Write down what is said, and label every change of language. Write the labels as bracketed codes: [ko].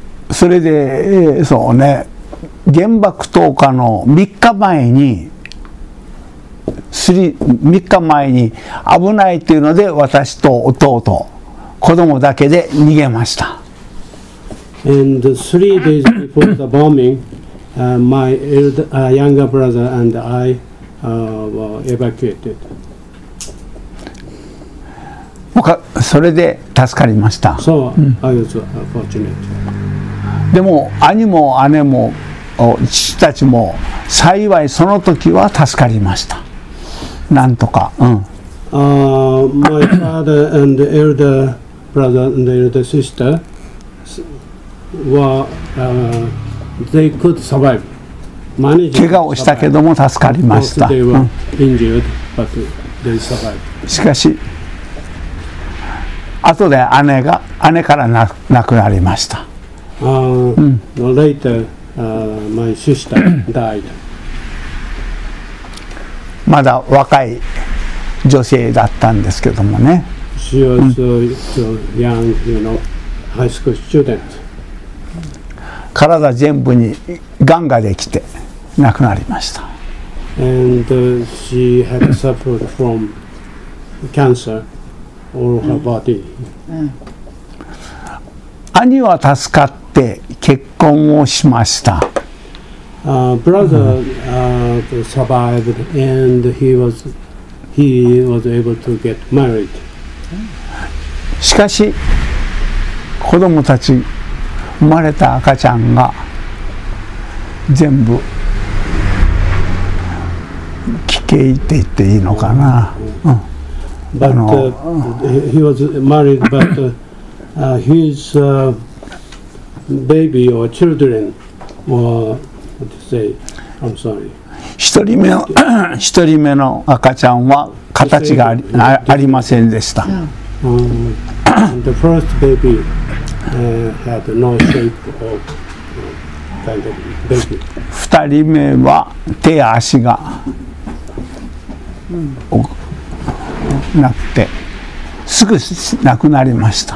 [ja] それで、そうね、原爆投下の3日前に危ないというので私と弟子供だけで逃げました。 [en] And 3 days before the bombing, my elder, younger brother and I were evacuated. [ja] それで助かりました。 [en] So, I was fortunate. [ja] でも兄も姉も父たちも幸いその時は助かりました。なんとか。 [en] My father and the elder brother and the elder sister were, they could survive. Managed. [ja] 怪我をしたけども助かりました。 [en] They were injured, but they survived. [ja] しかし、後で姉から亡くなりました。 [en] Later, my sister died. [ja] まだ若い女性だったんですけどもね。 [en] She was so young, you know, high school student. [ja] 体全部にガンができて亡くなりました。 [en] And she had suffered from cancer all her body. [ja] 兄は助かって結婚をしました。 [en] Brother survived and he was able to get married. [ja] しかし子供たち生まれた赤ちゃんが全部奇形って言っていいのかな。 [en] But he was married, but his baby or children were, let's say, I'm sorry. [ja] 一人目の赤ちゃんは形がありませんでした。 [en] The first baby had no shape of kind of baby. [ja] 二人目は手や足がなくてすぐ亡くなりました。